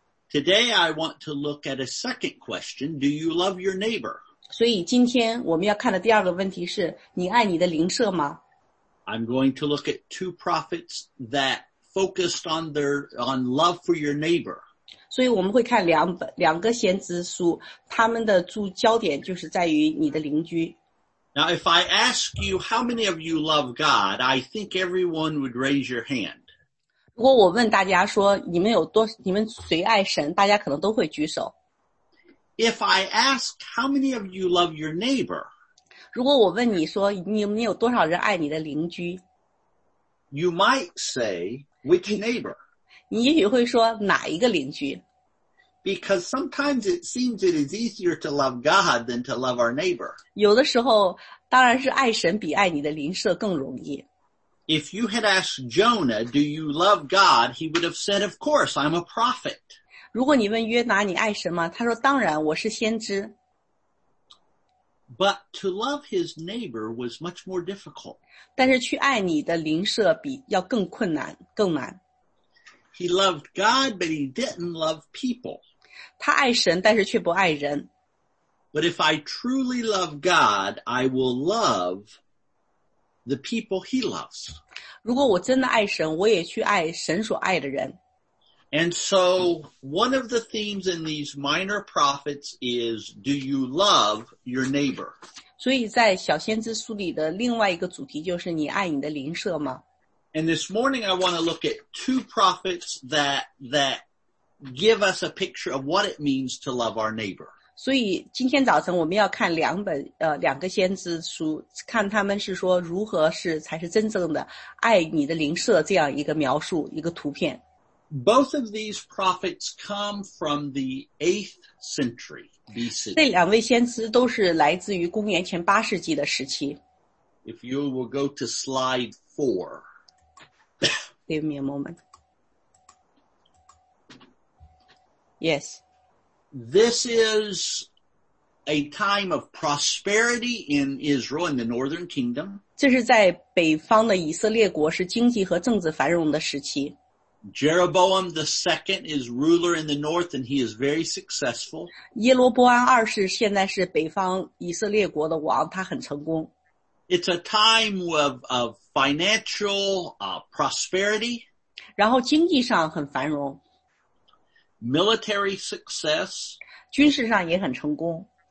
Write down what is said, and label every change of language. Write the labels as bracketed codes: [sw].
[en] Today I want to look at a second question, do you love your neighbor? [zh] 所以今天我们要看的第二个问题是你爱你的邻舍吗? [en] I'm going to look at two prophets that focused on love for your neighbor. [zh] 所以我们会看两个先知书，他们的焦点就是在于你的邻居。 [en] Now, if I ask you how many of you love God, I think everyone would raise your hand. [zh] 如果我问大家说你们谁爱神，大家可能都会举手。 [en] If I ask how many of you love your neighbor, [zh] 如果我问你说你们有多少人爱你的邻居， [en] you might say which neighbor. [zh] 你也许会说哪一个邻居。 [en] Because sometimes it seems it is easier to love God than to love our neighbor. [zh] 有的时候当然是爱神比爱你的邻舍更容易。 [en] If you had asked Jonah, do you love God? He would have said, of course, I'm a prophet. [zh] 如果你问约拿你爱神吗？他说当然我是先知。 [en] But to love his neighbor was much more difficult. [zh] 但是去爱你的邻舍比要更困难，更难。 [en] He loved God, but he didn't love people. [zh] 他爱神，但是却不爱人。 [en] But if I truly love God, I will love the people he loves. [zh] 如果我真的爱神，我也去爱神所爱的人。 [en] And so, one of the themes in these minor prophets is, do you love your neighbor? [zh] 所以在小先知书里的另外一个主题就是你爱你的邻舍吗？ [en] And this morning I want to look at two prophets that give us a picture of what it means to love our neighbor. [zh] 所以今天早晨我们要看两个先知书，看他们是说如何才是真正的爱你的邻舍这样一个描述，一个图片。 [en] Both of these prophets come from the 8th century BC. [zh] 这两位先知都是来自于公元前八世纪的时期。 [en] If you will go to slide 4. Give me a moment. Yes. This is a time of prosperity in Israel, in the northern kingdom. [zh] 这是在北方的以色列国是经济和政治繁荣的时期。 [en] Jeroboam II is ruler in the north and he is very successful. [zh] 耶罗波安二世现在是北方以色列国的王，他很成功。 [en] It's a time of financial prosperity. [zh] 然后经济上很繁荣。 [en] Military success. [zh] 军事上也很成功。